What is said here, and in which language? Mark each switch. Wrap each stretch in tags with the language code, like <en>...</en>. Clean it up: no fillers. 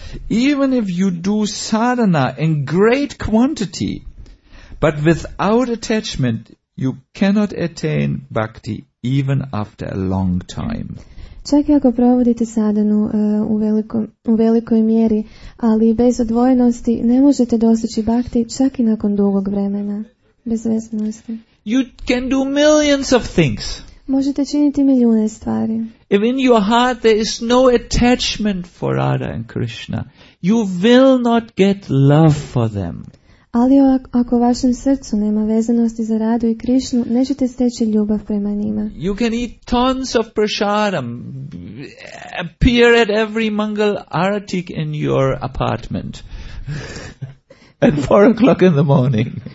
<en>Even if you do sadhana in great quantity, but without attachment, you cannot attain bhakti even after a long time.</en> <hr>Čak i ako provodite sadanu u velikoj mjeri, ali bez odvojenosti ne možete dostići bhakti čak i nakon dugog vremena. Bez vezanosti.</hr> <en>You can do millions of things.</en> <hr>Možete činiti milijune stvari.</hr> <en>If in your heart there is no attachment for Radha and Krishna, you will not get love for them.</en> <hr>Ali ako u vašem srcu nema vezanosti za Radu i Krišnu, nećete steći ljubav prema njima.</hr> <en>You can eat tons of prasadam, appear at every mangal arati in your apartment at 4 o'clock in the morning.</en>